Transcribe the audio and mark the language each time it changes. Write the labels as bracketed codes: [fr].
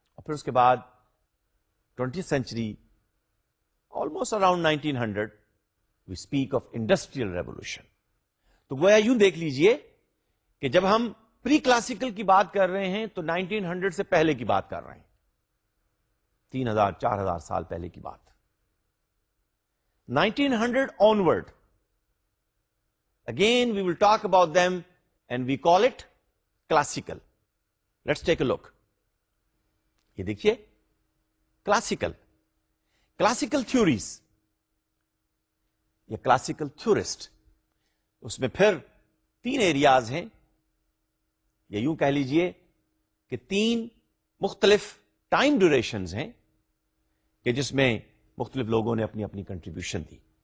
[ur] اور پھر اس کے بعد [en] 20th century, almost around 1900 we speak of industrial revolution. [ur] تو گویا یوں دیکھ لیجئے کہ جب ہم پری کلاسیکل کی بات کر رہے ہیں تو 1900 سے پہلے کی بات کر رہے ہیں, 3000-4000 سال پہلے کی بات. [en] 1900 onward again we will talk about them and we call it classical. Let's take a look. [ur] یہ دیکھیے کلاسیکل, کلاسیکل تھیوریز یا کلاسیکل تھیورسٹ, اس میں پھر تین ایریاز ہیں, یا یوں کہہ لیجئے کہ تین مختلف ٹائم ڈیوریشنز ہیں کہ جس میں مختلف لوگوں نے اپنی اپنی کنٹریبیوشن دی.